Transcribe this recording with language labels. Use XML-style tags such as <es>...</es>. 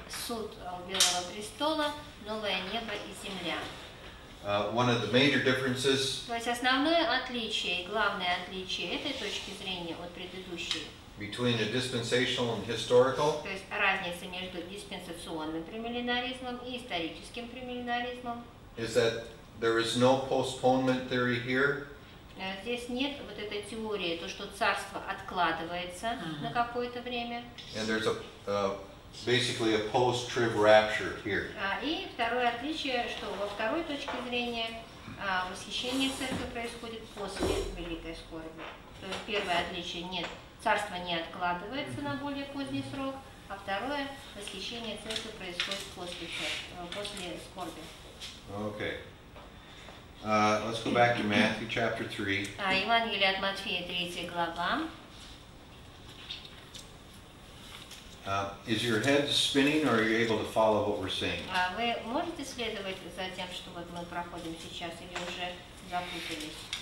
<ru>Суд белого престола, новое небо и земля.</ru> <en>One of the major differences.</en> <ru>То есть основное отличие, главное отличие этой точки зрения от предыдущей.</ru> <en>Between the dispensational and historical.</en> <ru>То есть разница между диспенсационным премиллинаризмом и историческим премиллинаризмом.</ru> <en>Is that there is no postponement theory here?</en> <ru>Здесь нет вот этой теории, то что царство откладывается на какое-то время.</ru> <en>And there's basically a post-trib rapture here.</en> <ru>И второе отличие, что во второй точке зрения восхищение церкви происходит после великой скорби. То есть первое отличие нет, царство не откладывается на более поздний срок, а второе восхищение церкви происходит после скорби.</ru> <en>Okay. Let's go back to Matthew chapter 3.</en> <ru>Евангелие от Матфея, 3 глава.</ru> <en>Is your head spinning or are you able to follow what we're saying?</en> <ru>Вы можете следовать за тем, что вот мы проходим сейчас, или уже запутались?</ru>